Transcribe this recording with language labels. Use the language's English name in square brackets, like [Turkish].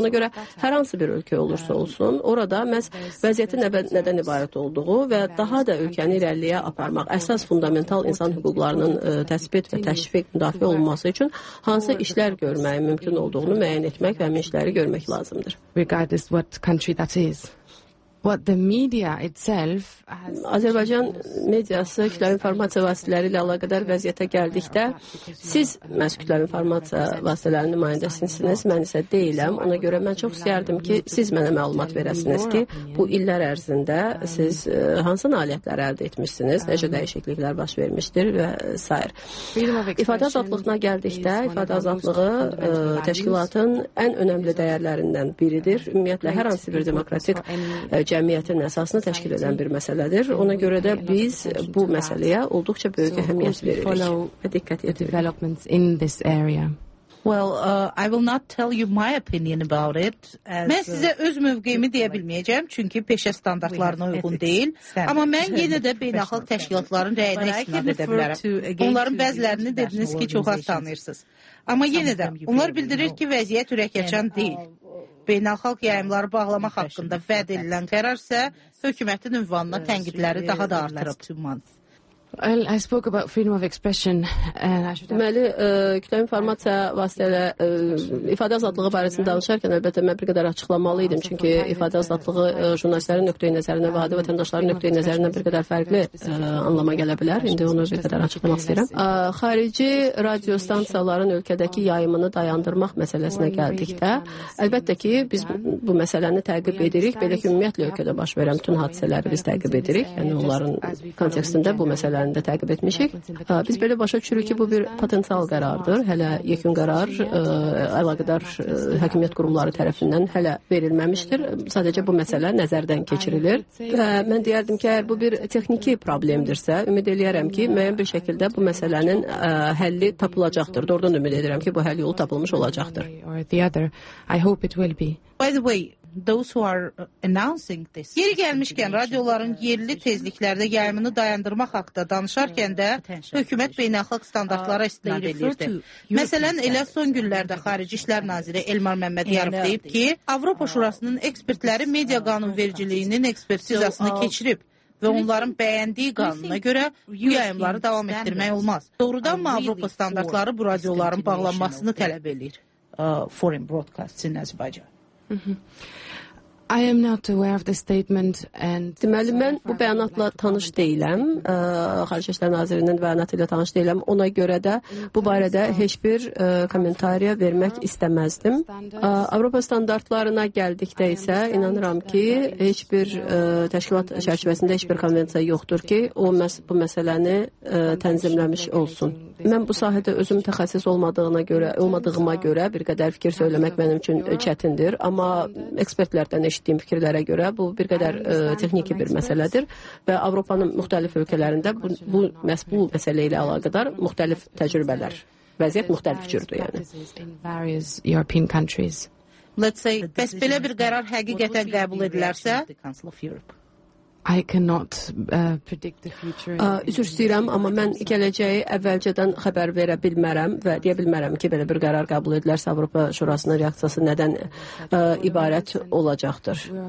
[Azerbaijani] Ona görə hər hansı bir ölkə olursa olsun, orada məhz vəziyyətin nədən ibarət olduğu və daha da ölkəni irəliyə aparmaq, əsas fundamental insan hüquqlarının təsbit və təşviq, müdafiə olunması üçün hansı işlər görmək mümkün olduğunu müəyyən etmək və həmin işləri görmək lazımdır. [English] Regardless what country that is. What the media itself has... [Azerbaijani] Azərbaycan mediası kütləvi informasiya vasitələri ilə əlaqədar vəziyyətə gəldikdə siz məhz kütləvi informasiya vasitələrinin nümayəndəsinizsiniz, mən isə deyiləm. Ona görə mən çox istəyərdim ki, siz mənə məlumat verəsiniz ki, bu illər ərzində siz hansı nailiyyətlər əldə etmişsiniz, necə dəyişikliklər baş vermişdir və s. İfadə azadlığına gəldikdə ifadə azadlığı təşkilatın ən önəmli dəyərlərindən biridir. Ümumiyyətlə, hər hansı bir demokratik cəmiyyətin əsasını təşkil edən bir məsələdir. Ona görə də biz bu məsələyə olduqca böyük əhəmiyyət veririk və diqqət yetiririk. [English] Well, I will not tell you my opinion about it. [Azerbaijani] Mən sizə öz mövqeyimi deyə bilməyəcəm, çünki peşə standartlarına uyğun deyil. Amma mən yenə də beynəlxalq təşkilatların rəyini istinad edə bilərəm. Onların bəzilərini dediniz ki, çox az tanıyırsınız. Amma yenə də, onlar bildirir ki, vəziyyət ürəkaçan deyil. Beynəlxalq yayımları bağlamaq haqqında vəd edilən qərar isə hökumətin ünvanına tənqidləri daha da artırıb. [English] I spoke about freedom of expression and [Azerbaijani] deməli, kütləvi informasiya vasitələri ifadə azadlığı barəsində danışarkən əlbəttə mən bir qədər açıqlamalı idim, çünki ifadə azadlığı jurnalistlərin nöqteyi nəzərindən və adi vətəndaşların nöqteyi nəzərindən bir qədər fərqli anlama gələ bilər. İndi onu bir qədər açıqlamaq istəyirəm. Xarici radio stansiyaların ölkədəki yayımını dayandırmaq məsələsinə gəldikdə, əlbəttə ki, biz bu məsələni təqib edirik, belə ki, ümumiyyətlə ölkədə baş verən bütün hadisələri biz təqib edirik, yəni onların kontekstində bu məsələ də təqib etmişik. Biz belə başa düşürük ki, bu bir potensial qərardır. Hələ yekun qərar əlaqədar hakimiyyət qurumları tərəfindən hələ verilməmişdir. Sadəcə bu məsələ nəzərdən keçirilir. Mən deyərdim ki, əgər bu bir texniki problemdirsə, ümid edirəm ki, müəyyən bir şəkildə bu məsələnin həlli tapılacaqdır. Doğrudan ümid edirəm ki, bu həll yolu tapılmış olacaqdır. [English] I hope it will be. By the way, those who are announcing this. [Azerbaijani] Yeri gəlmişkən radioların yerli tezliklərdə yayımını dayandırmaq haqqında danışarkən də hökumət beynəlxalq standartlara istinad edirdi. Məsələn, elə son günlərdə Xarici İşlər Naziri Elmar Məmmədyarov deyib ki, Avropa Şurasının ekspertləri media qanunvericiliyinin ekspertizasını keçirib və onların bəyəndiyi qanuna görə bu yayımları davam etdirmək olmaz. Doğrudan mı Avropa standartları bu radioların bağlanmasını tələb edir? [English] Foreign broadcasts in Azerbaijan. I am not aware of the statement and [Azerbaijani] deməli mən bu bəyanatla tanış deyiləm. Xarici İşlər Nazirinin bəyanatı ilə tanış deyiləm. Ona görə də bu barədə heç bir kommentariya vermək istəməzdim. Avropa standartlarına gəldikdə isə inanıram ki, heç bir təşkilat çərçivəsində heç bir konvensiya yoxdur ki, o bu məsələni tənzimləmiş olsun. Mən bu sahədə özüm təxəssüs olmadığıma görə bir qədər fikir söyləmək mənim üçün çətindir, amma ekspertlərdən eşitdiyim fikirlərə görə bu bir qədər texniki bir məsələdir və Avropanın müxtəlif ölkələrində bu məsələ ilə əlaqədar müxtəlif təcrübələr, vəziyyət müxtəlif cürdür yəni. [English] Let's say, [Azerbaijani] bəs belə bir qərar həqiqətən qəbul edilərsə, [English] I cannot predict the future. [Azerbaijani] Üzr istəyirəm, amma mən gələcəyi əvvəlcədən xəbər verə bilmərəm və deyə bilmərəm ki, belə bir qərar qəbul edilərsə Avropa Şurasının reaksiyası nədən ibarət olacaqdır.